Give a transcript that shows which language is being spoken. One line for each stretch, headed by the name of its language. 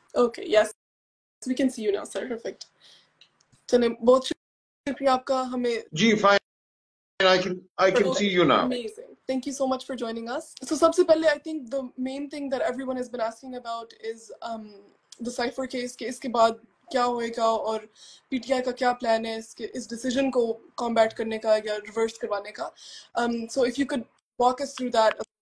English: Okay, yes, we can see you now, sir.
Hindi: Perfect. चलें बहुत शुक्रिया आपका हमें
English: जी fine. I can see you now. Amazing. Thank you so much for joining us. So
Hindi: सबसे पहले
English: I think the main thing that everyone has been asking about is the cipher case.
Hindi: के इसके बाद क्या होएगा और PTI का क्या plan है इसके इस decision को combat करने का या reverse करवाने का.
English: So if you could walk us through that.